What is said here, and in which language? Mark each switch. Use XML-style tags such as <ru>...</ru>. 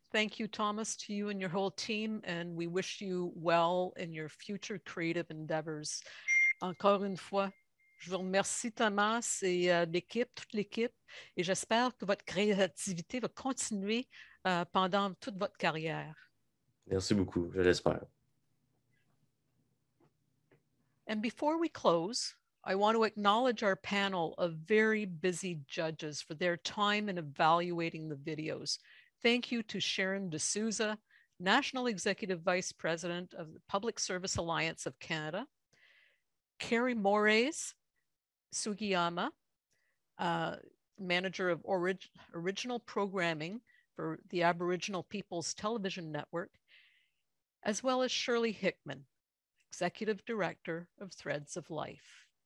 <en>Thank you, Thomas, to you and your whole team. And we wish you well in your future creative endeavors.</en> <fr>Encore une fois, je vous remercie, Thomas, et l'équipe, toute l'équipe. Et j'espère que votre créativité va continuer pendant toute votre carrière. Merci beaucoup. Je l'espère.</fr> <en>And before we close, I want to acknowledge our panel of very busy judges for their time in evaluating the videos. Thank you to Sharon D'Souza, National Executive Vice President of the Public Service Alliance of Canada, Carrie Mores Sugiyama, Manager of Original Programming for the Aboriginal People's Television Network, as well as Shirley Hickman, Executive Director of Threads of Life.</en>